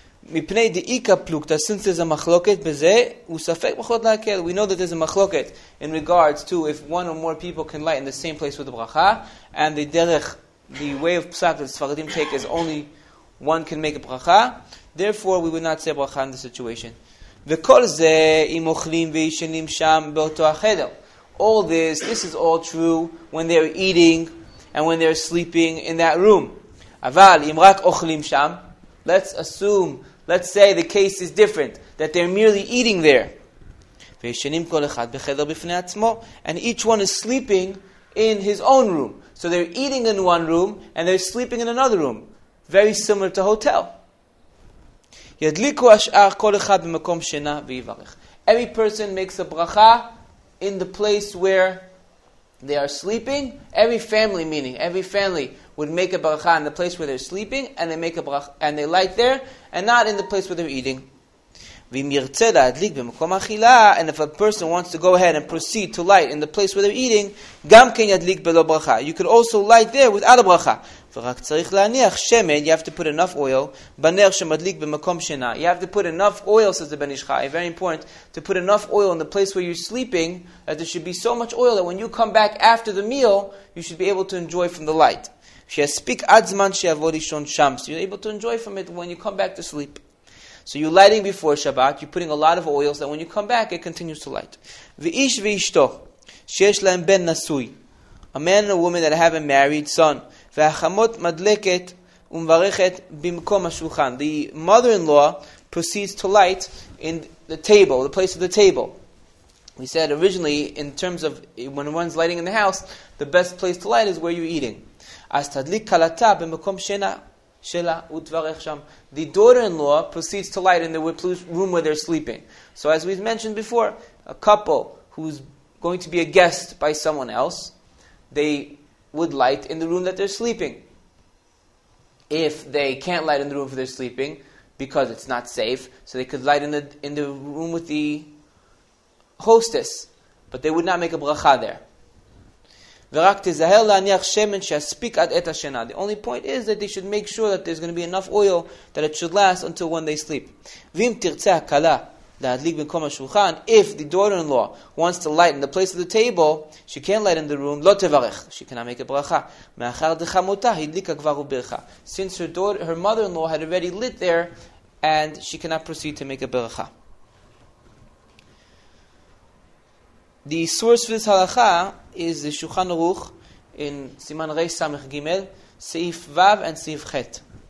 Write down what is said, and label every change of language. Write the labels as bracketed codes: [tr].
[he] Mipnei De'ika Plukta. [en] Since there's a [he] machloket b'zeh, Usafek Machlot La'akel. [en] We know that there's a machloket in regards to if one or more people can light in the same place with the bracha, and the derech, the way of psak that Sfaradim take is only one can make a bracha. Therefore, we would not say bracha in this situation. [he] וכל זה אם אוכלים וישנים שם באותו החדר. [en] All this is all true when they're eating and when they're sleeping in that room. [he] אבל אם רק אוכלים שם, [en] let's say the case is different, that they're merely eating there. [he] וישנים כל אחד בחדר בפני עצמו, [en] and each one is sleeping in his own room. So they're eating in one room and they're sleeping in another room. Very similar to hotel. [he] Yadliku ashar kol echad b'makom shena v'yivarech. [en] Every person makes a bracha in the place where they are sleeping. Every family would make a bracha in the place where they're sleeping, and they make a bracha and they light there, and not in the place where they're eating. [he] V'im yirtze la'adlik b'makom achila, [en] and if a person wants to go ahead and proceed to light in the place where they're eating, [he] gam ken yadlik b'lo bracha. [en] You could also light there without a bracha. [he] ורק צריך להניח שמן, [en] you have to put enough oil, [he] בנר שמדליק במקום שינה. [en] You have to put enough oil, says the Ben Ish Chai, very important, to put enough oil in the place where you're sleeping, that there should be so much oil that when you come back after the meal, you should be able to enjoy from the light. [he] שיספיק עד זמן שיעבור לישון שם. [en] So you're able to enjoy from it when you come back to sleep. So you're lighting before Shabbat, you're putting a lot of oils, that when you come back, it continues to light. [he] ואיש ואשתו, שיש להם בן נשוי. [en] A man and a woman that have a married son. [he] והחמות מדלקת ומברכת במקום השולחן. [en] The mother-in-law proceeds to light in the table, the place of the table. We said originally, in terms of when one's lighting in the house, the best place to light is where you're eating. [he] אז תדליק קלטה במקום שינה שלה ותברך שם. [en] The daughter-in-law proceeds to light in the room where they're sleeping. So as we've mentioned before, a couple who's going to be a guest by someone else, they would light in the room that they're sleeping. If they can't light in the room where they're sleeping, because it's not safe, so they could light in the room with the hostess. But they would not make a bracha there. [he] ורק תזהר להניח שמן שיספיק עד עת השינה. [en] The only point is that they should make sure that there's going to be enough oil that it should last until when they sleep. [he] ואם תרצה הקלה להדליק במקום השולחן, [en] if the daughter-in-law wants to lighten the place of the table, she can lighten the room, [he] לא תברך. [en] She cannot make a ברכה. [he] מאחר דחמותה, הדליקה כבר וברכה. [en] Since her daughter, her mother-in-law had already lit there, and she cannot proceed to make a ברכה. The source for this halakha is the Shulchan Aruch in Siman Reish Samech Gimel, Seif Vav and Seif Chet.